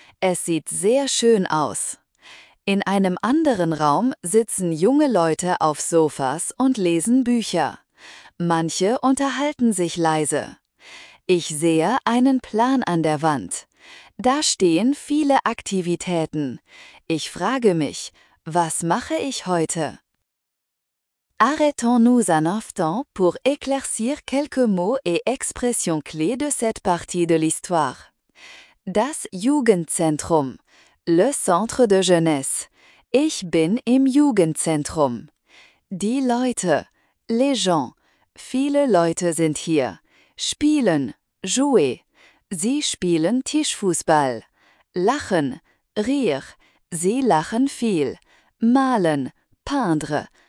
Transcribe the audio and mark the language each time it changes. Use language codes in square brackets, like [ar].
[de] Es sieht sehr schön aus. In einem anderen Raum sitzen junge Leute auf Sofas und lesen Bücher. Manche unterhalten sich leise. Ich sehe einen Plan an der Wand. Da stehen viele Aktivitäten. Ich frage mich, was mache ich heute? [fr] Arrêtons-nous un instant pour éclaircir quelques mots et expressions clés de cette partie de l'histoire. [de] Das Jugendzentrum. [fr] Le centre de jeunesse. [de] Ich bin im Jugendzentrum. Die Leute. [fr] Les gens. [de] Viele Leute sind hier. Spielen. Jouer. Sie spielen Tischfußball. Lachen. Rire. Sie lachen viel. Malen. Peindre.